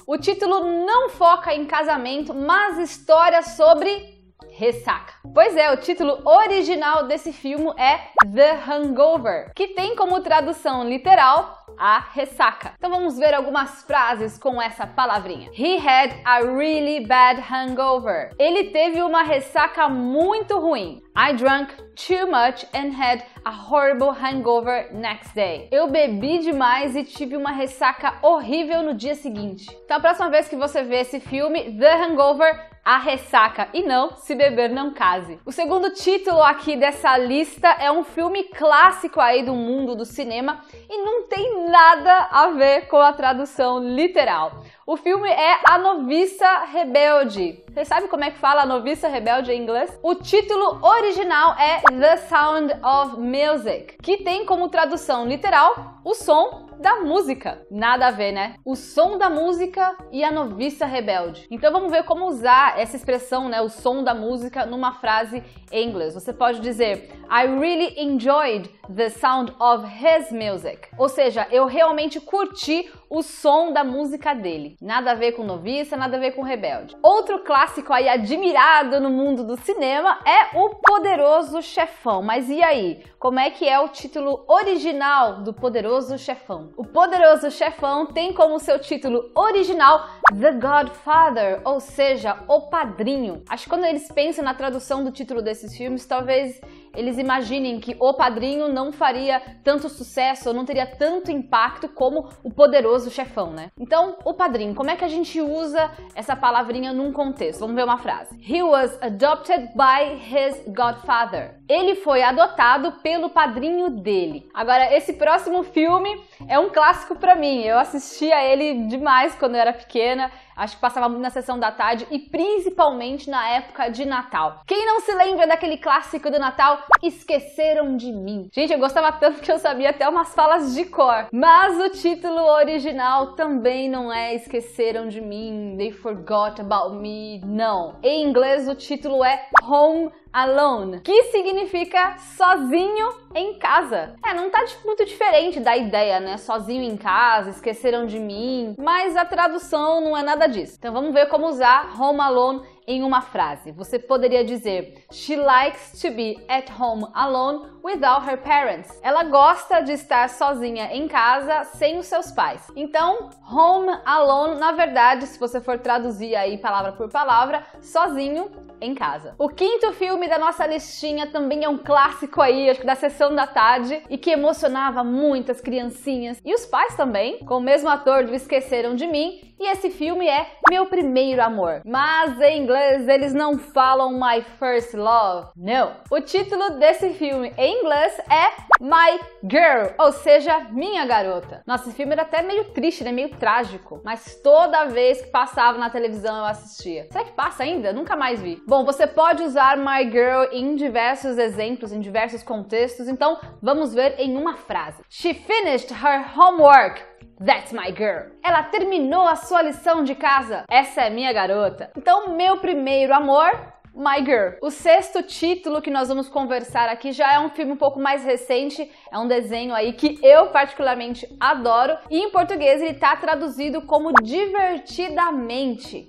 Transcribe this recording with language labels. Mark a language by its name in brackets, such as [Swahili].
[Portuguese] O título não foca em casamento, mas história sobre ressaca. Pois é, o título original desse filme é The Hangover, que tem como tradução literal a ressaca. Então vamos ver algumas frases com essa palavrinha. [English] He had a really bad hangover. [Portuguese] Ele teve uma ressaca muito ruim. [English] I drank too much and had a horrible hangover next day. [Portuguese] Eu bebi demais e tive uma ressaca horrível no dia seguinte. Então, a próxima vez que você vê esse filme, The Hangover, a ressaca, e não Se Beber, Não Case. O segundo título aqui dessa lista é um filme clássico aí do mundo do cinema e não tem nada a ver com a tradução literal. O filme é A Noviça Rebelde. Você sabe como é que fala a Noviça Rebelde em inglês? O título original é The Sound of Music, que tem como tradução literal o som da música. Nada a ver, né? O som da música e a Noviça Rebelde. Então vamos ver como usar essa expressão, né? O som da música numa frase em inglês. Você pode dizer: [English] I really enjoyed the sound of his music. [Portuguese] Ou seja, eu realmente curti o som da música dele. Nada a ver com noviça, nada a ver com rebelde. Outro clássico aí admirado no mundo do cinema é O Poderoso Chefão. Mas e aí? Como é que é o título original do Poderoso Chefão? O Poderoso Chefão tem como seu título original The Godfather, ou seja, O Padrinho. Acho que quando eles pensam na tradução do título desses filmes, talvez eles imaginem que O Padrinho não faria tanto sucesso ou não teria tanto impacto como O Poderoso Chefão, né? Então, O Padrinho, como é que a gente usa essa palavrinha num contexto? Vamos ver uma frase. [English] He was adopted by his godfather. [Portuguese] Ele foi adotado pelo padrinho dele. Agora, esse próximo filme é um clássico pra mim. Eu assistia ele demais quando eu era pequena. Acho que passava muito na sessão da tarde e principalmente na época de Natal. Quem não se lembra daquele clássico do Natal? Esqueceram de mim. Gente, eu gostava tanto que eu sabia até umas falas de cor. Mas o título original também não é Esqueceram de mim, They Forgot About Me, não. Em inglês, o título é Home Alone, que significa sozinho em casa. É, não tá muito diferente da ideia, né? Sozinho em casa, esqueceram de mim, mas a tradução não é nada disso. Então vamos ver como usar Home Alone em uma frase. Você poderia dizer: [English] She likes to be at home alone without her parents. [Portuguese] Ela gosta de estar sozinha em casa sem os seus pais. Então, home alone, na verdade, se você for traduzir aí palavra por palavra, sozinho em casa. O quinto filme da nossa listinha também é um clássico aí, acho que da sessão da tarde, e que emocionava muitas criancinhas e os pais também, com o mesmo ator do Esqueceram de Mim. E esse filme é Meu Primeiro Amor. Mas em inglês eles não falam My First Love, não. O título desse filme em inglês é My Girl, ou seja, Minha Garota. Nossa, esse filme era até meio triste, né? Meio trágico. Mas toda vez que passava na televisão eu assistia. Será que passa ainda? Nunca mais vi. Bom, você pode usar My Girl em diversos exemplos, em diversos contextos. Então, vamos ver em uma frase. [English] She finished her homework. That's my girl. [Portuguese] Ela terminou a sua lição de casa. Essa é minha garota. Então, meu primeiro amor, My Girl. O sexto título que nós vamos conversar aqui já é um filme um pouco mais recente, é um desenho aí que eu particularmente adoro, e em português ele tá traduzido como Divertidamente.